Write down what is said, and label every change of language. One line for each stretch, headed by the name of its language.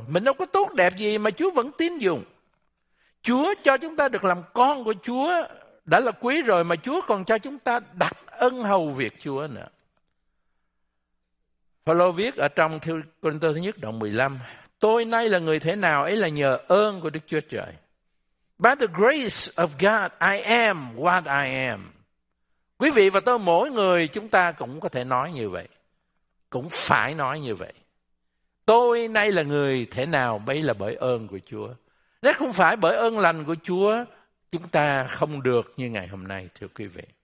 Vietnamese: Mình đâu có tốt đẹp gì mà Chúa vẫn tin dùng. Chúa cho chúng ta được làm con của Chúa đã là quý rồi, mà Chúa còn cho chúng ta đặt ân hầu việc Chúa nữa. Phaolô viết ở trong Thư Côrintô thứ nhất đoạn 15, tôi nay là người thế nào ấy là nhờ ơn của Đức Chúa Trời.
English: By the grace of God, I am what I am.
Vietnamese: Quý vị và tôi, mỗi người chúng ta cũng có thể nói như vậy, cũng phải nói như vậy. Tôi nay là người thế nào bấy là bởi ơn của Chúa. Nếu không phải bởi ơn lành của Chúa, chúng ta không được như ngày hôm nay, thưa quý vị.